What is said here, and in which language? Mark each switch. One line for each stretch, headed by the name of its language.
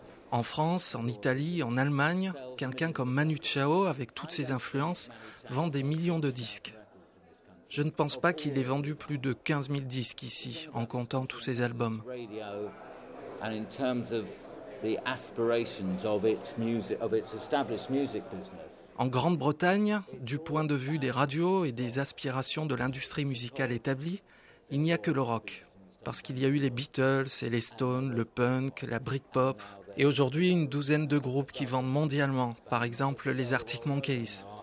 French: En France, en Italie, en Allemagne, quelqu'un comme Manu Chao, avec toutes ses influences, vend des millions de disques. Je ne pense pas qu'il ait vendu plus de 15 000 disques ici, en comptant tous ses albums.
English: And in terms of the aspirations of its music, of its established music business.
French: En Grande-Bretagne, du point de vue des radios et des aspirations de l'industrie musicale établie, il n'y a que le rock. Parce qu'il y a eu les Beatles et les Stones, le punk, la Britpop, et aujourd'hui une douzaine de groupes qui vendent mondialement, par exemple les Arctic Monkeys.